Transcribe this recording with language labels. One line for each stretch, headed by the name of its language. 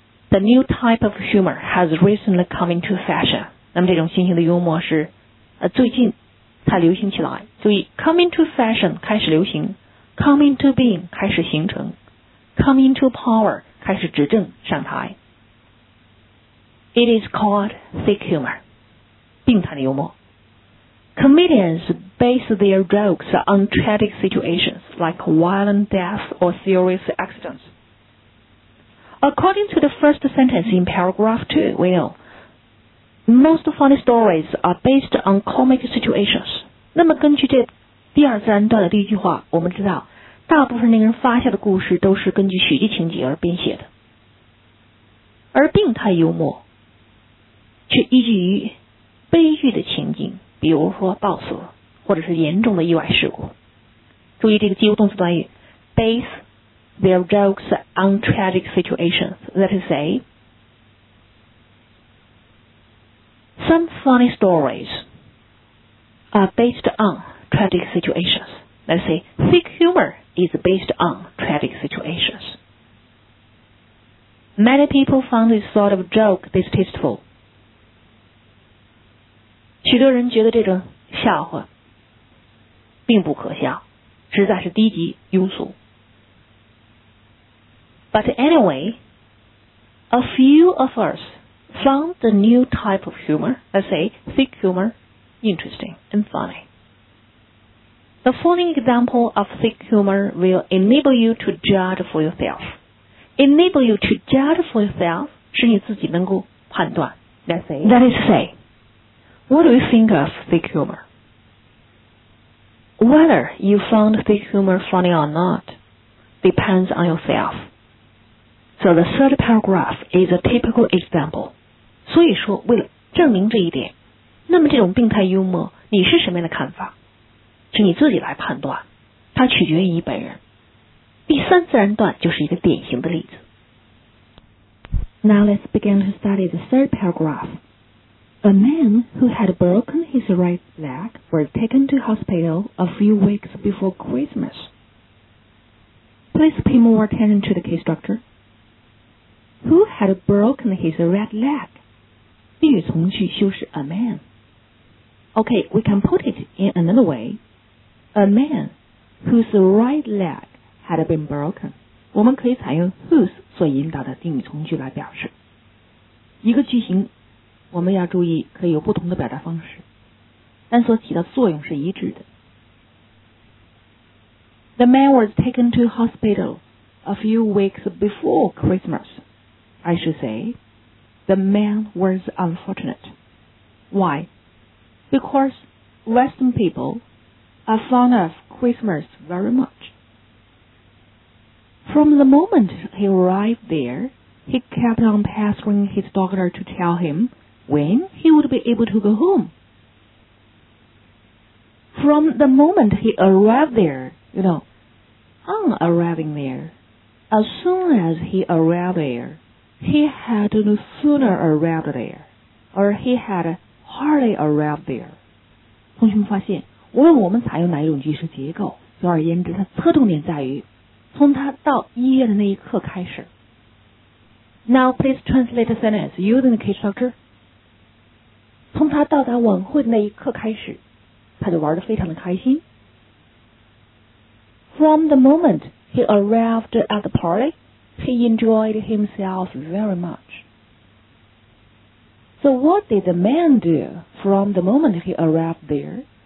English: The new type of humor has recently come into fashion.
Chinese: 那么这种新型的幽默是、最近才流行起来。注意
English: come into fashion
Chinese: 开始流行，
English: come into being
Chinese: 开始形成，
English: come into power
Chinese: 开始执政上台。
English: It is called thick humor,
Chinese: 病态的幽默。
English: Comedians base their jokes on tragic situations like violent death or serious accidents. According to the first sentence in paragraph 2, we know most funny stories are based on comic situations.
Chinese: 那么根据这第二自然段的第一句话，我们知道大部分令人发笑的故事都是根据喜剧情节而编写的。而病态幽默却依据于悲剧的情景，比如说暴死或者是严重的意外事故。注意这个及物动词短语
English: base their jokes on tragic situations. That is say some funny stories are based on tragic situations. That is say thick humor is based on tragic situations. Many people found this sort of joke distasteful. 许多人觉得这种笑话并不可笑，实在是低级庸俗。 But anyway, a few of us found the new type of humor, let's say thick humor, interesting and funny. The following example of thick humor will enable you to judge for yourself. Enable you to judge for yourself
Chinese: 是你自己能够判断。
English: Let's say. That is to say. What do you think of thick humor? Whether you found thick humor funny or not depends on yourself. So the third paragraph is a typical example.
Chinese: 所以说为了证明这一点，那么这种病态幽默你是什么样的看法，请你自己来判断，它取决于你本人。第三自然段就是一个典型的例子。
English: Now let's begin to study the third paragraph. A man who had broken his right leg was taken to hospital a few weeks before Christmas. Please pay more attention to the case structure. Who had broken his right leg?
Chinese: 定语从句修饰
English: a man. Okay, we can put it in another way. A man whose right leg had been broken.
Chinese: 我们可以采用 whose 所引导的定语从句来表示。一个句型我们要注意可以有不同的表达方式，但所起的作用是一致的。
English: The man was taken to hospital a few weeks before Christmas. I should say the man was unfortunate. Why? Because Western people are fond of Christmas very much. From the moment he arrived there, He kept on pestering his doctor to tell him when he would be able to go home. From the moment he arrived there, as soon as he arrived there, he had no sooner arrived there, or he had hardly arrived there.
Chinese: 同学们发现，无论我们采用哪一种句式结构，总而言之，它侧重点在于从他到医院的那一刻开始。
English: Now please translate the sentence using the case structure.
Chinese: 从他到达晚会的那一刻开始，他就玩得非常的开心。
English: From the moment he arrived at the party, he enjoyed himself very much. So what did the man do from the moment he arrived there?